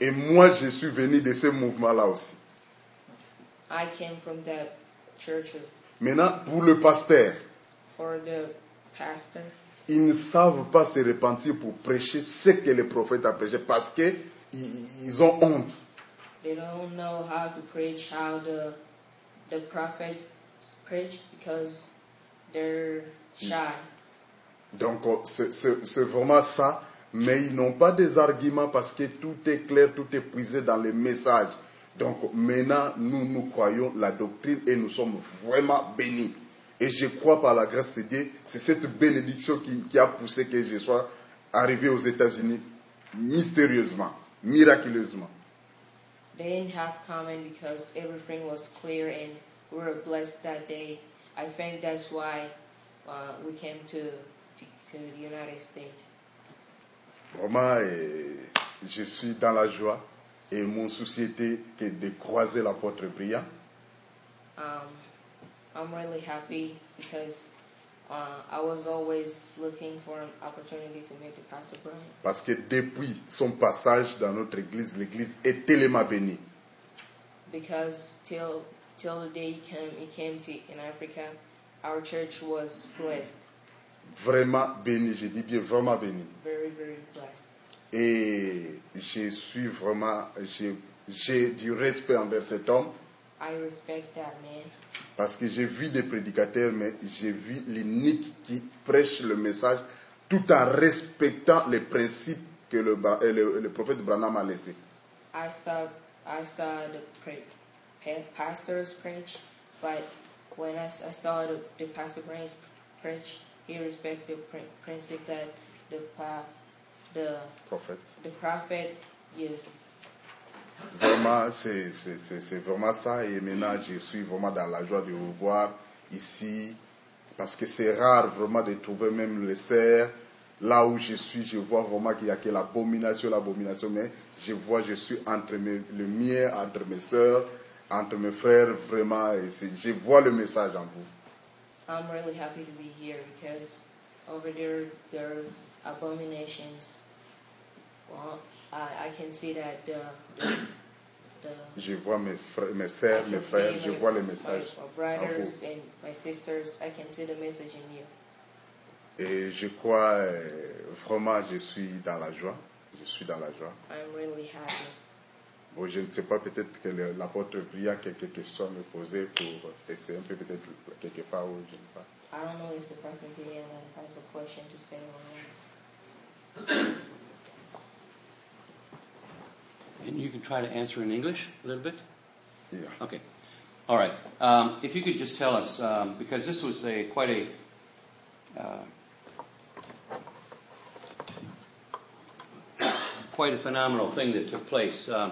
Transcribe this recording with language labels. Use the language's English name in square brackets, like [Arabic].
[French] Et moi, je suis venu de ce mouvement-là aussi. [English] I came from that church. [French] Maintenant, pour le pasteur, [English] for the pastor, [French] ils ne savent pas se repentir pour prêcher ce que le prophète a prêché parce que ils ont honte. [English] They don't know how to preach, how the prophet preach because they're shy. [French] Donc c'est vraiment ça, mais ils n'ont pas des arguments parce que tout est clair, tout est puisé dans les messages. Donc maintenant nous croyons la doctrine et nous sommes vraiment bénis. Et je crois par la grâce de Dieu, c'est cette bénédiction qui a poussé que je sois arrivé aux États-Unis mystérieusement, miraculeusement. [English] They didn't have comment because everything was clear and we were blessed that day. I think that's why we came to the United States. [French] Vraiment, je suis dans la joie et mon souci était que de croiser l'apôtre Brian. [English] I'm really happy because I was always looking for an opportunity to meet the Pastor Brian. [French] Parce que depuis son passage dans notre église, l'église est tellement bénie. [English] Because till the day he came to in Africa, our church was blessed. [French] Vraiment béni, je dis bien vraiment béni. [English] Very, very blessed. [French] Et je suis vraiment, j'ai du respect envers cet homme. [English] I respect that man. [French] Parce que j'ai vu des prédicateurs, mais j'ai vu l'unique qui prêche le message tout en respectant les principes que le prophète Branham a laissé. [English] I saw the pastors preach, but when I saw the pastor Branham preach, he respected the principle that the prophet used. [French] Vraiment, c'est vraiment ça. Et maintenant, je suis vraiment dans la joie de vous voir ici. Parce que c'est rare vraiment de trouver même le cerf. Là où je suis, je vois vraiment qu'il y a que l'abomination. Mais je vois, je suis entre mes lumières, entre mes soeurs, entre mes frères. Vraiment, et je vois le message en vous. [English] I'm really happy to be here because over there's abominations. I can see that [French] je vois mes frères, mes frères, je vois les messages. [English] My brothers and my sisters, I can see the message in you. [French] Et je crois vraiment, je suis dans la joie. Je suis dans la joie. [English] I'm really happy. [French] Bon, je ne sais pas, peut-être que l'apôtre Brian a quelques questions à me poser pour essayer un peu, peut-être quelque part où je ne sais pas. [English] I don't know if the person Brian has a question to say or not. And you can try to answer in English a little bit? Yeah. Okay. All right. If you could just tell us, because this was quite a phenomenal thing that took place.